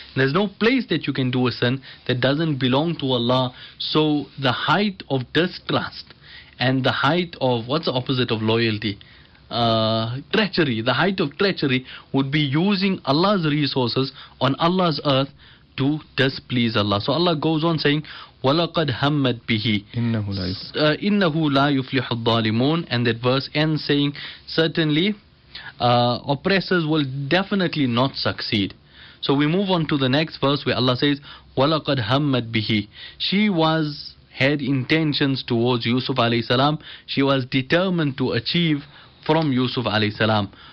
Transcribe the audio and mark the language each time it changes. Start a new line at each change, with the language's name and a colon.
English: There's no place that you can do a sin that doesn't belong to Allah. So the height of distrust and the height of, what's the opposite of loyalty? Treachery. The height of treachery would be using Allah's resources on Allah's earth to displease Allah. So Allah goes on saying,
Arabic: وَلَقَدْ هَمَّتْ بِهِ إِنَّهُ لَا يُفْلِحُ الظَّالِمُونَ.
English: And that verse ends saying, certainly, oppressors will definitely not succeed. So we move on to the next verse where Allah says,
Arabic: وَلَقَدْ هَمَّتْ بِهِ.
English: She was, had intentions towards Yusuf alayhi salam. She was determined to achieve from Yusuf alayhi salam.